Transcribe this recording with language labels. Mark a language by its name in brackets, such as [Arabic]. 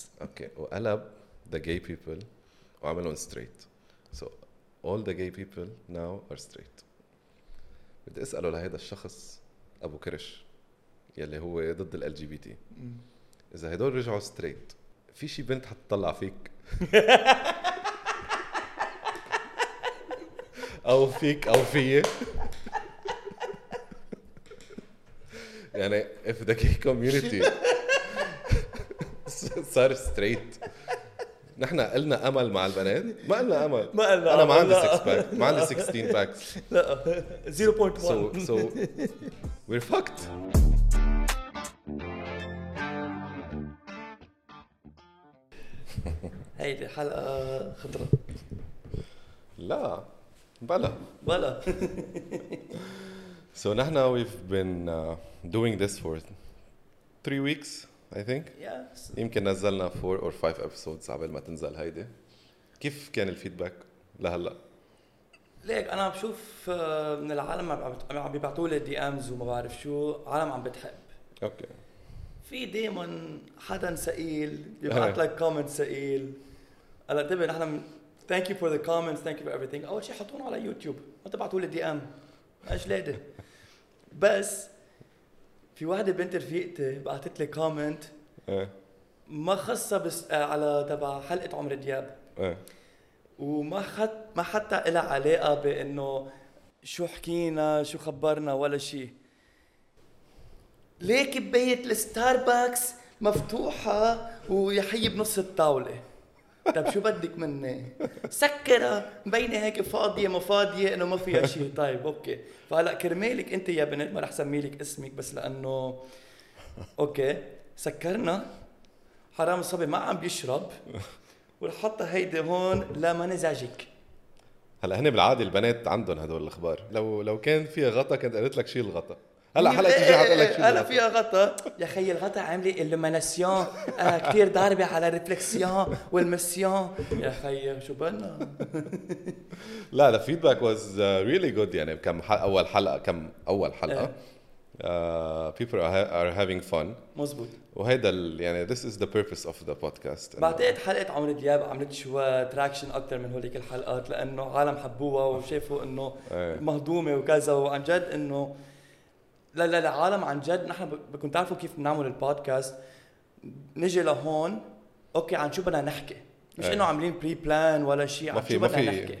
[Arabic] اوكي وقلب [English] the gay people [Arabic] وعملهم [English] straight. So all the gay people now are straight. [Arabic] بدي اساله لهذا الشخص ابو كرش يلي هو ضد ال LGBT، اذا هدول رجعوا straight في شي بنت حتطلع فيك؟ او فيك او فيه؟ يعني [English] if the gay community [Arabic] صار straight، نحن قلنا امل مع البنات؟ ما قلنا امل، ما قلنا انا ما عندي 6 باك، ما عندي 16 باكس، لا 0.1. [English] so we're fucked. [Arabic] هيدي حلقه خضراء. لا بلا بلا. [English] So [Arabic] نحن [English] we've been doing this for 3 weeks I think. Yes. [Arabic] يمكن نزلنا [English] 4 or 5 episodes [Arabic] قبل ما تنزل هيدي. كيف كان الفيدباك لهلا؟ ليك انا بشوف من العالم عم بيبعثوا لي دي امز وما بعرف شو، عالم عم بتحب. اوكي. في دائما حدا ثقيل بيبعث لك كومنت ثقيل. هلا انتبه نحن [English] thank you for the comments, thank you for everything. [Arabic] اول شيء حطونا على يوتيوب، ما تبعثوا لي دي ام. اجلاده. بس في واحدة بنت رفيقتي بعثت لي كومنت ما خصها بس على تبع حلقة عمر دياب. وما حت ما حتى إلها علاقة بإنه شو حكينا شو خبرنا ولا شيء. ليه كباية الستاربكس مفتوحة ويحيي بنص الطاولة؟ طب شو بدك مني؟ سكرة مبينة هيك فاضية مفاضية إنه ما فيها شيء. طيب أوكي، فهلا كرمالك أنت يا بنت ما رح سميلك اسمك بس لأنه أوكي سكرنا حرام الصبي ما عم بيشرب ورحطة هيدي هون لا ما نزعجك. هلا هني بالعادة البنات عندهم هدول الأخبار، لو كان فيها غطا كنت قلت لك شيل الغطا. هلا حلقة تجي حتقول لك شيل الغطا. هلا فيها غطا يا خي، الغطا عاملي اللومناسيون كتير ضاربة على الريفلكسيون والمسيون يا خي شو بالنا. لا [English] the feedback was really good. [Arabic] يعني كم أول حلقة [English] people are having fun. [Arabic] مزبوط. وهذا يعني [English] this is the purpose of the podcast. [Arabic] بعتقد حلقة عمر دياب عملت شوية تراكشن أكتر من هوليك الحلقات لأنه عالم حبوها وشافوا إنه مهضومة وكذا، وعن جد إنه لا لا العالم عن جد نحن بكون تعرفوا كيف نعمل البودكاست. نجي لهون أوكي عن شو بدنا نحكي، مش إنه عاملين بري بلان ولا شيء، عن شو بدنا نحكي.